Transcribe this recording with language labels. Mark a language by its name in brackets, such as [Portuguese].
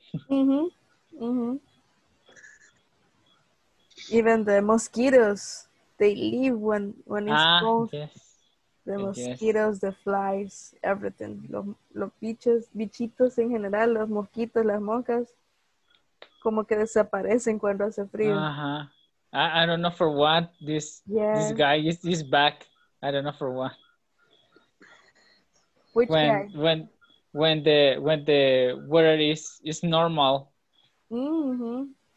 [English] Even the mosquitoes, they leave when it's cold. Yes. The mosquitoes, the flies, everything. [Spanish] Los bichitos en general, los mosquitos, las moscas. Como que desaparecen cuando hace frío. Uh-huh. [English] I don't know for what this guy is back. I don't know for what. Which when, guy? When the weather is normal. Mm-hmm.